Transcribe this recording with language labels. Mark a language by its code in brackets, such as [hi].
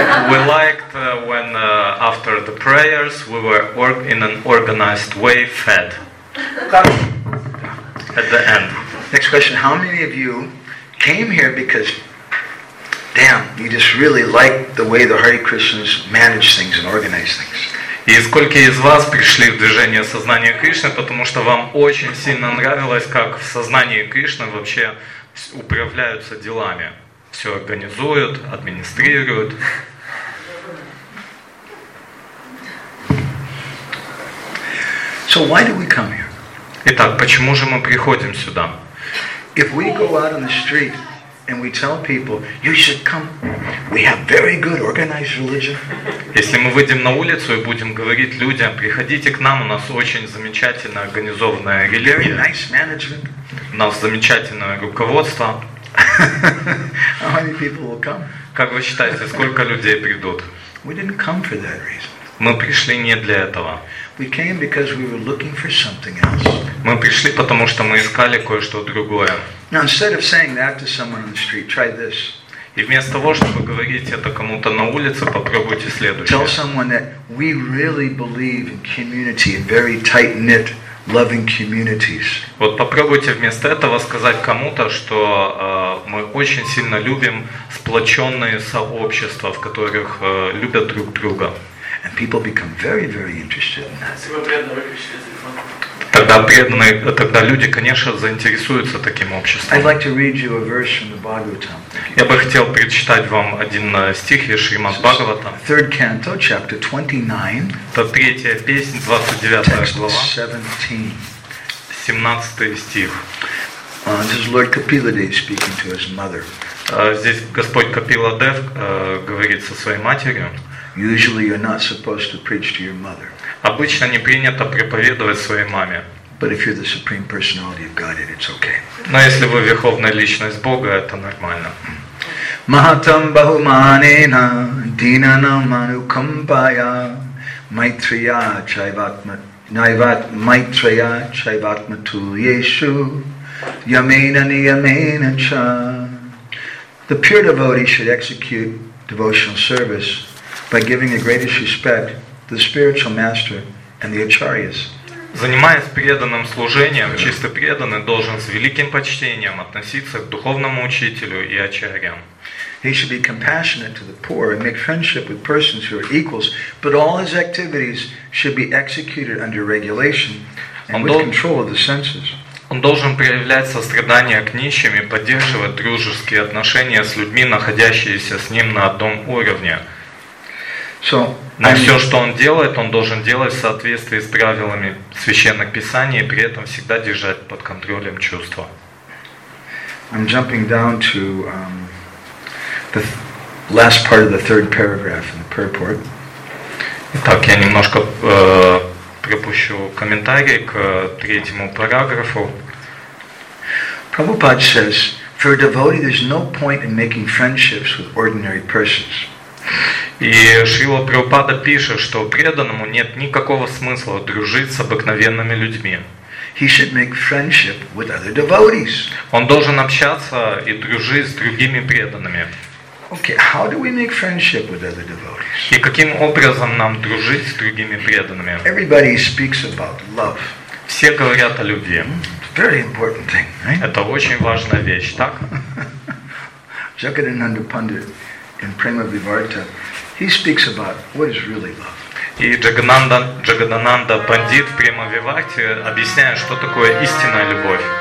[en] We liked when after the prayers we were in an organized way fed. At the end. Next question, how many of you came here because, damn, you just really like the way the Hare Krishnas manage things and organize things? [ru] И сколько из вас пришли в движение сознания Кришны, потому что вам очень сильно нравилось, как в сознании Кришны вообще управляются делами. Все организуют, администрируют. [en] So why do we come here? [ru] Итак, почему же мы приходим сюда? [en] If we go out on the street and we tell people, you should come, we have very good organized religion. [ru] Если мы выйдем на улицу и будем говорить людям, приходите к нам, у нас очень замечательно организованная религия. [en] Very nice management. [ru] У нас замечательное руководство. [en] How many people will come? [ru] Как вы считаете, сколько людей придут? [en] We didn't come for that reason. [ru] Мы пришли не для этого. [en] We came because we were looking for something else. [ru] Мы пришли потому что мы искали кое-что другое. [en] Now instead of saying that to someone on the street, try this. [ru] И вместо того чтобы говорить это кому-то на улице, попробуйте следующее. [en] Tell someone that we really believe in community, in very tight-knit, loving communities. [ru] Вот попробуйте вместо этого сказать кому-то, что мы очень сильно любим сплоченные сообщества, в которых любят друг друга. [en] And people become very, very interested in that. [ru] тогда преданные, тогда люди, конечно, заинтересуются таким обществом. [en] I'd like to read you a verse from the Bhagavatam. [ru] Я бы хотел прочитать вам один стих из Шримад Бхагаватам. [en] Third canto, chapter 29. [ru] Это третья песня, 29 глава. [en] 17. [ru] 17 стих. [en] This is Lord Kapiladev speaking to his mother. [ru] Здесь Господь Капиладев говорит со своей матерью. [en] Usually you're not supposed to preach to your mother. [ru] Обычно не принято проповедовать своей маме. [en] But if you're the supreme personality of God, it's okay. [ru] Но если вы верховная личность Бога, это нормально. [sa] Mahatam bahumanena dinanam anukampaya maitriya chaivatma naivat maitriya chaivatma tu yeshu yamena niyamena cha. [en] The pure devotee should execute devotional service by giving the greatest respect to the spiritual master and the acharyas. [ru] Занимаясь преданным служением, чисто преданный должен с великим почтением относиться к духовному учителю и ачарьям. [en] He should be compassionate to the poor and make friendship with persons who are equals, but all his activities should be executed under regulation and with control of the senses. [ru] Он должен проявлять сострадание к нищим и поддерживать дружеские отношения с людьми, находящиеся с ним на одном уровне. Но все, что он делает, он должен делать в соответствии с правилами священных писаний и при этом всегда держать под контролем чувства. [en] I'm jumping down to the last part of the third paragraph in the purport. [ru] Итак, я немножко пропущу комментарий к третьему параграфу. [en] Prabhupada says, for a devotee there's no point in making friendships with ordinary persons. [ru] И Шрила Прабхупада пишет, что преданному нет никакого смысла дружить с обыкновенными людьми. [en] He should make friendship with other devotees. [ru] Он должен общаться и дружить с другими преданными. [en] Okay, how do we make friendship with other devotees? [ru] И каким образом нам дружить с другими преданными? [en] Everybody speaks about love. [ru] Все говорят о любви. [en] Very important thing, right? [ru] Это очень важная вещь, так? [en] Jagadananda Pandit in Prema Vivarta, he speaks about what is really love. [ru] И Джагадананда Пандит в Према Виварте объясняет, что такое истинная любовь.